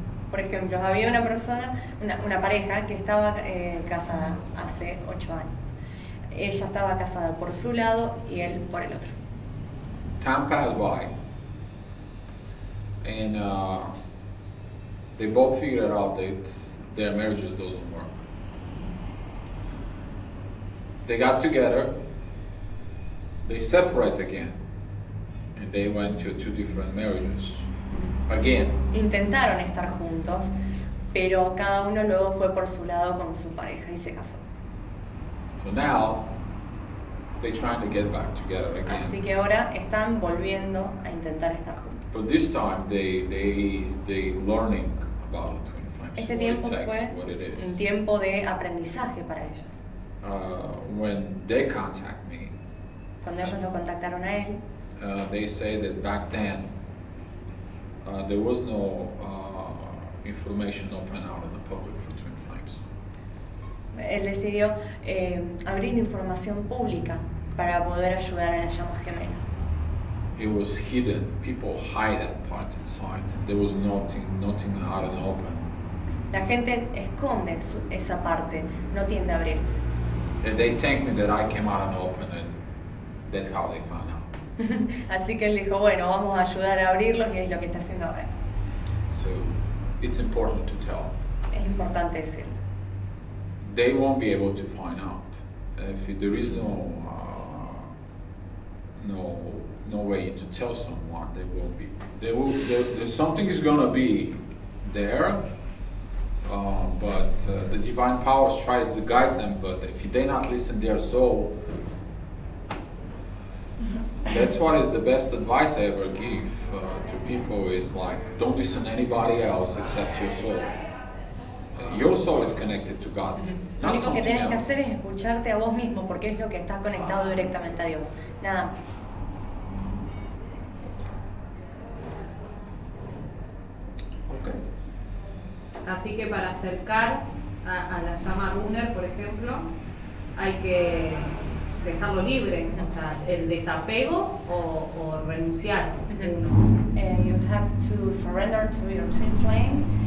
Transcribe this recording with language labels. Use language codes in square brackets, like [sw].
[es] Por ejemplo, había una persona, una pareja que estaba casada hace 8 años. Ella estaba casada por su lado y él por el otro. [en] Time passed by. And they both figured out that their marriages doesn't work. They got together, they separate again, and they went to two different marriages again. [es] Intentaron estar juntos, pero cada uno luego fue por su lado con su pareja y se casó. [en] So now they're trying to get back together again. [es] Así que ahora están volviendo a intentar estar juntos. [en] But this time they learning about twin flames. [es] Este tiempo fue un tiempo de aprendizaje para ellos. [en] When they contact me, [es] cuando ellos lo contactaron a él, [en] they say that back then there was no information open out in the public for Twin Flames. [es] Él decidió abrir información pública para poder ayudar a las llamas gemelas. [en] It was hidden. People hide that part inside. There was nothing out in the open. [es] La gente esconde esa parte, no tiende a abrirse. [en] And they thanked me that I came out in the open, and that's how they found out. [es] Así que él dijo, bueno, vamos a ayudar a abrirlos, y es lo que está haciendo ahora. [en] So, it's important to tell. [es] Es importante decir. [en] They won't be able to find out. If there is no way to tell someone, they will be. Something is going to be there, but the divine powers tries to guide them, but if they not listen their soul, that's what is the best advice I ever give to people, is like, don't listen to anybody else except your soul. Your soul is connected to God. [es] Lo único que tienes que hacer es escucharte a vos mismo, porque es lo que está conectado directamente a Dios. Nada más. [en] Okay. [es] Así que para acercar a la llama Runner, por ejemplo, hay que dejarlo libre, o sea, el desapego o renunciar. [en] You have to surrender to your twin flame.